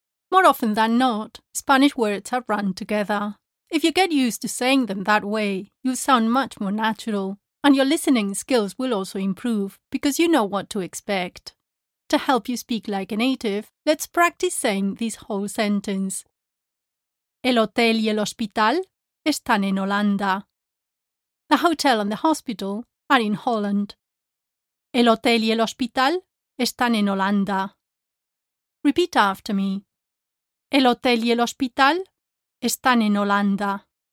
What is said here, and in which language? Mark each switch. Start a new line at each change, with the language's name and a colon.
English: More often than not, Spanish words are run together. If you get used to saying them that way, you'll sound much more natural, and your listening skills will also improve because you know what to expect. To help you speak like a native, let's practice saying this whole sentence.
Spanish: El hotel y el hospital están en Holanda.
English: The hotel and the hospital are in Holland.
Spanish: El hotel y el hospital están en Holanda.
English: Repeat after me.
Spanish: El hotel y el hospital están en Holanda.